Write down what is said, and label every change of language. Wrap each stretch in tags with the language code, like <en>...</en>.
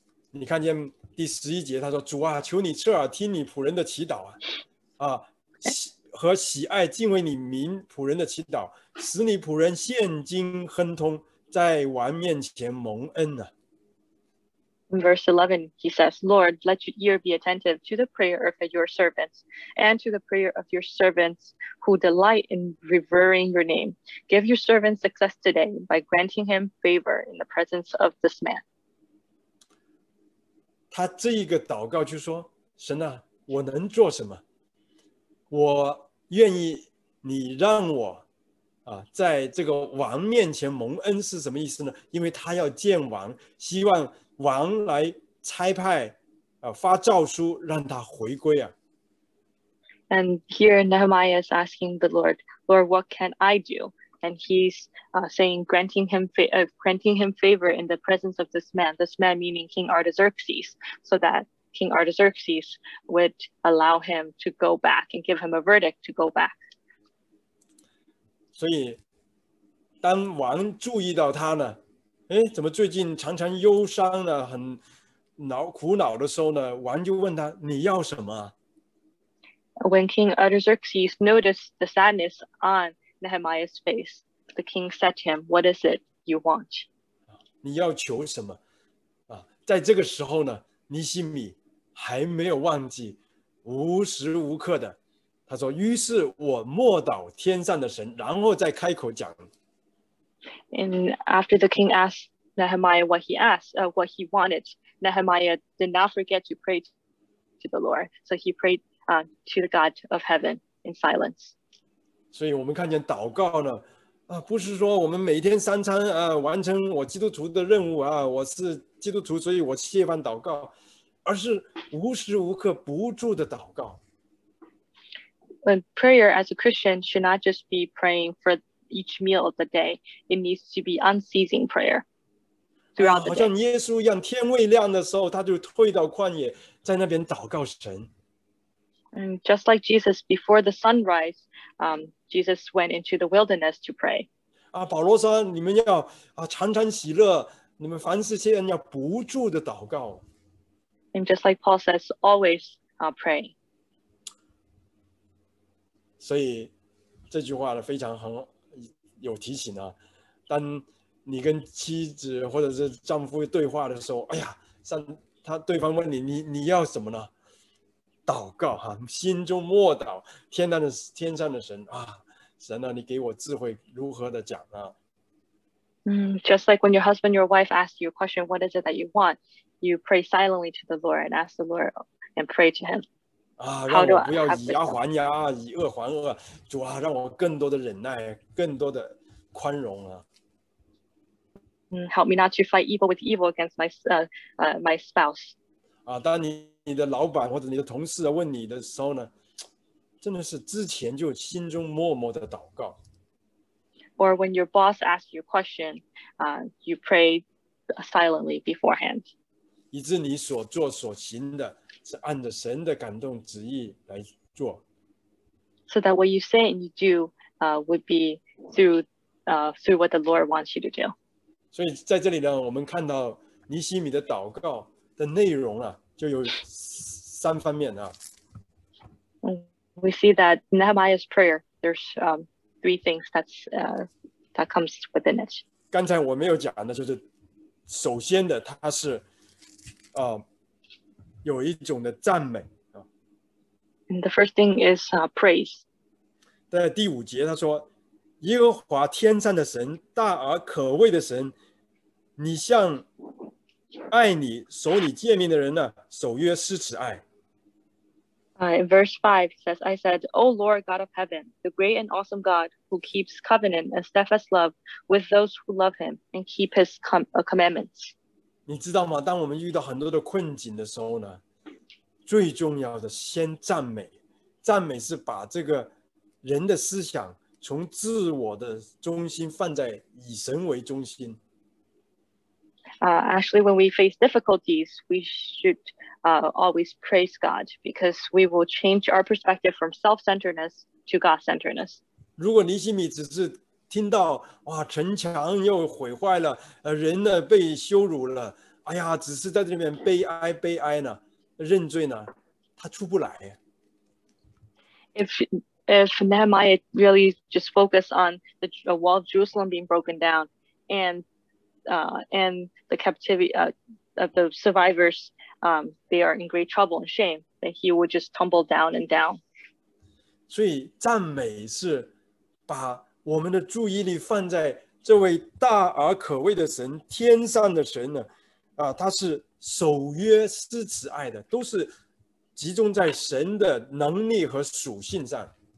<zh>你看见第十一节，他说：“主啊，求你侧耳听你仆人的祈祷啊。” 和喜爱敬畏你名仆人的祈祷，使你仆人现今亨通，在王面前蒙恩呢。</zh> <en>Verse 11, he says, "Lord, let your ear be attentive to the prayer of your servants, and to the prayer of your servants who delight in revering your name. Give your servant success today by granting him favor in the presence of this man."</en> <zh>他这一个祷告就说：“神啊，我能做什么？” 我愿意你让我在这个王面前蒙恩是什么意思呢？因为他要见王，希望王来差派发诏书让他回归啊。</zh> <en>And here Nehemiah is asking the Lord, "Lord, what can I do?" And he's saying, granting him favor in the presence of this man. This man meaning King Artaxerxes, so that. King Artaxerxes would allow him to go back and give him a verdict to go back.</en> <zh>所以，当王注意到他呢，怎么最近常常忧伤呢？很恼苦恼的时候呢，王就问他：“你要什么？”</zh> <en>When King Artaxerxes noticed the sadness on Nehemiah's face, the king said to him, "What is it you want?"</en> <zh>你要求什么？啊，在这个时候呢，尼希米还没有忘记，无时无刻的，他说：“于是我默祷天上的神，然后再开口讲。”</zh> <en>And after the king asked Nehemiah what he asked, what he wanted, Nehemiah did not forget to pray to the Lord. So he prayed, to the God of heaven in silence.</en> <zh>所以我们看见祷告呢，啊，不是说我们每天三餐啊，完成我基督徒的任务啊，我是基督徒，所以我切番祷告。而是无时无刻不住的祷告。</zh> <en>When prayer as a Christian should not just be praying for each meal of the day, it needs to be unceasing prayer throughout the day.</en> <zh>好像耶稣一样，天未亮的时候，他就退到旷野，在那边祷告神。</zh> <en>And just like Jesus, before the sunrise, Jesus went into the wilderness to pray.</en> <zh>啊，保罗说，你们要啊常常喜乐，你们凡事切恩要不住的祷告。</zh> <en>And just like Paul says, always pray.</en> <zh>所以这句话呢非常很有提醒啊。当你跟妻子或者是丈夫对话的时候，哎呀，上他对方问你，你要什么呢？祷告哈，心中默祷天上的神啊，神啊，你给我智慧如何的讲啊。</zh> <en>Just like when your husband, your wife asks you a question, what is it that you want? You pray silently to the Lord and ask the Lord and pray to him.</en> <zh>啊，让我不要以牙还牙，以恶还恶。主啊，让我更多的忍耐，更多的宽容啊。</zh> <en>Help me not to fight evil with evil against my spouse.</en> <zh>啊，当你的老板或者你的同事问你的时候呢，真的是之前就心中默默的祷告。</zh> <en>Or when your boss asks you a question, you pray silently beforehand.</en> <zh>以致你所做所行的是按着神的感动旨意来做。</zh> <en>So that what you say and you do, would be through what the Lord wants you to do.</en> <zh>所以在这里呢，我们看到尼希米的祷告的内容啊，就有三方面啊。</zh> <en>We see that Nehemiah's prayer, there's three things that comes within it.</en> <zh>刚才我没有讲的就是，首先的它是，有一种的赞美啊。</zh> <en>And the first thing is praise.</en> <zh>在第五节他说，耶和华天上的神，大而可畏的神，你向爱你、守你诫命的人呢，守约施慈爱。</zh> <en>In verse 5 says, I said, O Lord God of heaven, the great and awesome God who keeps covenant and steadfast love with those who love him and keep his commandments.</en> <zh>你知道吗？当我们遇到很多的困境的时候呢，最重要的先赞美。赞美是把这个人的思想从自我的中心放在以神为中心。</zh> <en>Actually, when we face difficulties, we should always praise God because we will change our perspective from self-centeredness to God-centeredness.</en> <zh>如果尼希米只是听到哇，城墙又毁坏了，人呢被羞辱了，哎呀，只是在这里面悲哀呢，认罪呢，他出不来。</zh> <en>If Nehemiah really just focus on the wall of Jerusalem being broken down and the captivity of the survivors, they are in great trouble and shame, that he would just tumble down and down.</en> <zh>所以赞美是把我们的注意力放在这位大而可畏的神，天上的神呢，他是守约施慈爱的，都是集中在神的能力和属性上。</zh>